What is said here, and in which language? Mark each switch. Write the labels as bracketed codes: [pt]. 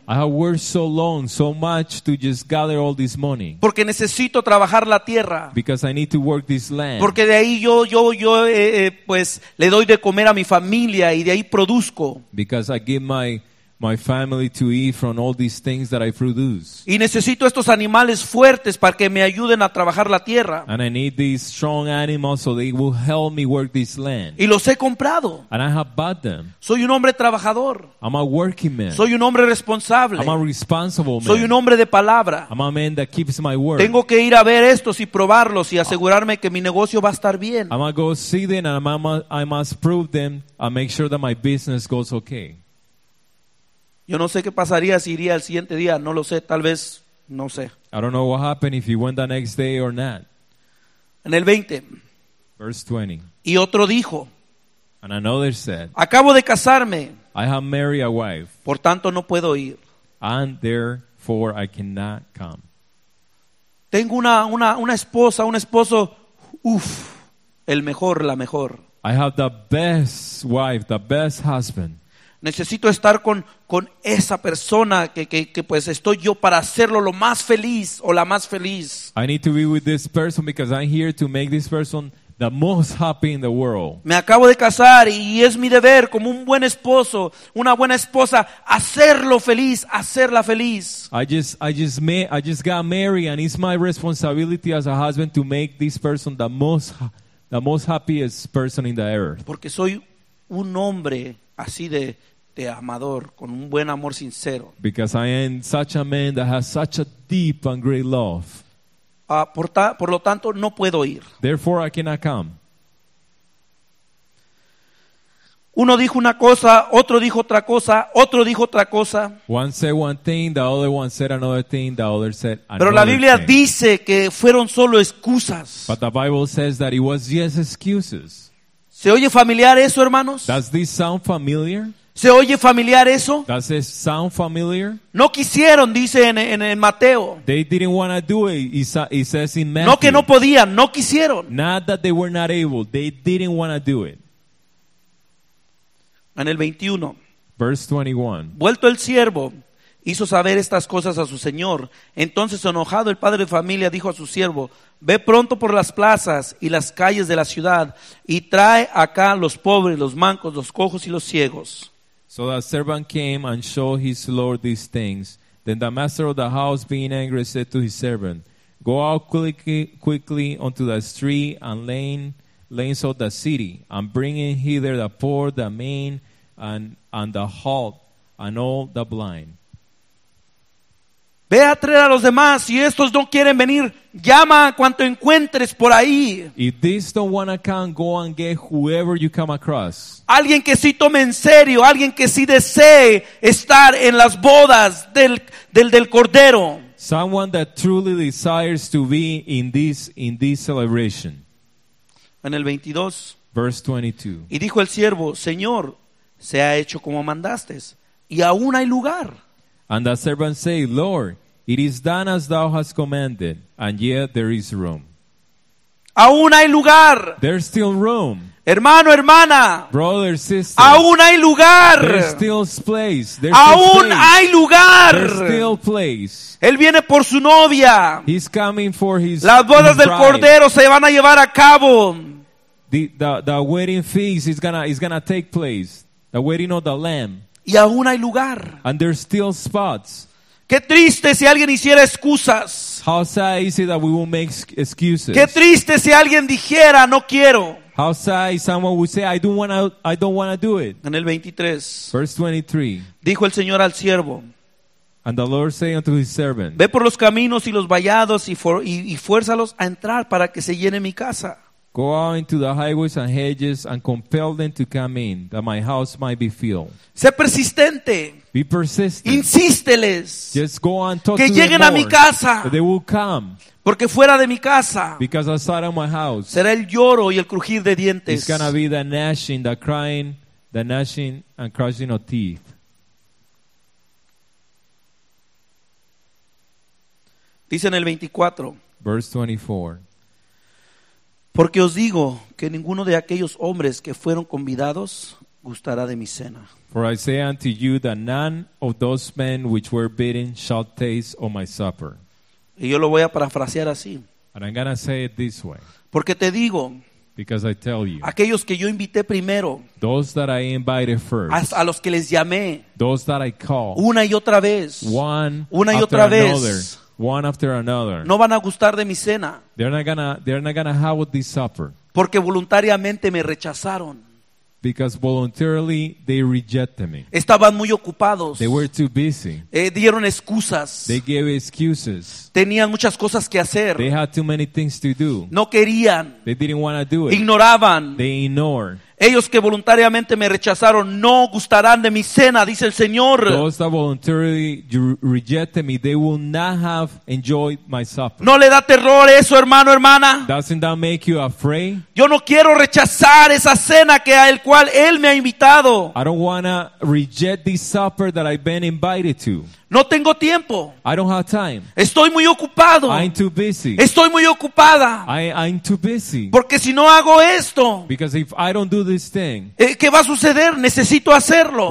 [en] I have worked so long, so much to just gather all this money. [es] Porque necesito trabajar la tierra. [en] Because I need to work this land. [es] Porque de ahí yo pues le doy de comer a mi familia y de ahí produzco. [en] Because I give my family to eat from all these things that I produce. [es] Y necesito estos animales fuertes para que me ayuden a trabajar la tierra. [en] And I need these strong animals so they will help me work this land. [es] Y los he comprado. [en] And I have bought them. [es] Soy un hombre trabajador. [en] I'm a working man. [es] Soy un hombre responsable. [en] I'm a responsible man. [es] Soy un hombre de palabra. [en] I'm a man that keeps my word. [es] Tengo que ir a ver estos y probarlos y asegurarme que mi negocio va a estar bien. [en] I'm gonna go see them and I must prove them and make sure that my business goes okay. [es] Yo no sé qué pasaría si iría el siguiente día, no lo sé, tal vez, no sé. [en] I don't know what happened if you went the next day or not. [es] En el 20. [en] Verse 20. [es] Y otro dijo. [en] And another said. [es] Acabo de casarme. [en] I have married a wife. [es] Por tanto, no puedo ir. [en] And therefore I cannot come. [es] Tengo una esposa, un esposo, uff, el mejor, la mejor. [en] I have the best wife, the best husband. [es] Necesito estar con esa persona que pues estoy yo para hacerlo lo más feliz o la más feliz. [en] I need to be with this person because I'm here to make this person the most happy in the world. [es] Me acabo de casar y es mi deber como un buen esposo, una buena esposa, hacerlo feliz, hacerla feliz. [en] I just got married and it's my responsibility as a husband to make this person the most happiest person in the earth. [es] Porque soy un hombre así de amador, con un buen amor sincero. [en] Because I am such a man that has such a deep and great love. [es] Por lo tanto, no puedo ir. [en] Therefore, I cannot come. [es] Uno dijo una cosa, otro dijo otra cosa, otro dijo otra cosa. [en] One said one thing, the other one said another thing, the other said another thing. [es] Pero la Biblia dice que fueron solo excusas. [en] But the Bible says that it was just excuses. [es] ¿Se oye familiar eso, hermanos? [en] Does this sound familiar? [es] ¿Se oye familiar eso? [en] Does this sound familiar? [es] No quisieron, dice en Mateo. [en] They didn't want to do it, it says in Matthew. [es] No que no podían, no quisieron. [en] Not that they were not able, they didn't want to do it. [es] En el 21. [en] Verse 21. [es] Vuelto el siervo, hizo saber estas cosas a su señor. Entonces, enojado, el padre de familia dijo a su siervo, ve pronto por las plazas y las calles de la ciudad y trae acá los pobres, los mancos, los cojos y los ciegos. [en] So the servant came and showed his lord these things. Then the master of the house, being angry, said to his servant, go out quickly onto the street and lanes of the city and bring in hither the poor, the maimed, and the halt, and all the blind. [es] Ve a traer a los demás. Si estos no quieren venir, llama a cuanto encuentres por ahí. [en] If these don't want to come, go and get whoever you come across. [es] Alguien que sí tome en serio, alguien que sí desee estar en las bodas del Cordero. [en] Someone that truly desires to be in this celebration. [es] En el 22. [en] Verse 22. [es] Y dijo el siervo, Señor, se ha hecho como mandaste, y aún hay lugar. [en] And the servant said, Lord, it is done as thou hast commanded, and yet there is room. [es] Aún hay lugar. [en] There's still room. [es] Hermano, hermana. [en] Brother, sister. [es] Aún hay lugar. [en] There's still place. There's [es] aún [en] place. [es] Hay lugar. [en] There's still place. [es] Él viene por su novia. [en] He's coming for his bride. [es] Las bodas del Cordero se van a llevar a cabo. [en] The wedding feast is gonna take place. The wedding of the Lamb. [es] Y aún hay lugar. [en] And there's still spots. [es] Qué triste si alguien hiciera excusas. [en] How sad is it that we will make excuses? [es] Qué triste si alguien dijera no quiero. [en] How sad is someone would say I don't wanna do it. [es] En el 23. [en] Verse 23. [es] Dijo el Señor al siervo. [en] And the Lord said unto his servant. [es] Ve por los caminos y los vallados y fuérzalos a entrar para que se llene mi casa. [en] Go out into the highways and hedges and compel them to come in, that my house might be filled. [es] Sé persistente. [en] Be persistent. [es] Insísteles. [en] Just go and talk [es] que [en] to them [es] Que lleguen a mi casa. [en] That they will come. [es] Porque fuera de mi casa. [en] Because outside of my house. [es] Será el lloro y el crujir de dientes. [en] It's gonna be the gnashing, the crying, the gnashing and crushing of teeth. [es] Dice en el 24. [en] Verse 24. [es] Porque os digo que ninguno de aquellos hombres que fueron convidados gustará de mi cena. [en] For I say unto you that none of those men which were bidden shall taste of my supper. [es] Y yo lo voy a parafrasear así. [en] And I'm gonna say it this way. [es] Porque te digo. [en] Because I tell you. [es] Aquellos que yo invité primero. [en] Those that I invited first. [es] A los que les llamé. [en] Those that I called. [es] Una y otra vez. [en] One. [es] Una y otra vez. [en] Another. One after another. [es] No van a gustar de mi cena. [en] They're not gonna have this supper. [es] Porque voluntariamente me rechazaron. [en] Because voluntarily they rejected me. [es] Estaban muy ocupados. [en] They were too busy. [es] Dieron excusas. [en] They gave excuses. [es] Tenían muchas cosas que hacer. [en] They had too many things to do. [es] No querían. [en] They didn't want to do it. [es] Ignoraban. [en] They ignore. [es] Ellos que voluntariamente me rechazaron no gustarán de mi cena, dice el Señor. [en] Those that voluntarily rejected me, they will not have enjoyed my supper. [es] No le da terror eso, hermano, hermana. [en] Doesn't that make you afraid? [es] Yo no quiero rechazar esa cena que a el cual él me ha invitado. [en] I don't want to reject this supper that I've been invited to. [es] No tengo tiempo. [en] I don't have time. [es] Estoy muy ocupado. [en] I'm too busy. [es] Estoy muy ocupada. [en] I'm too busy. [es] Porque si no hago esto. [en] Because if I don't do this thing. [es] ¿Qué va a suceder? Necesito hacerlo.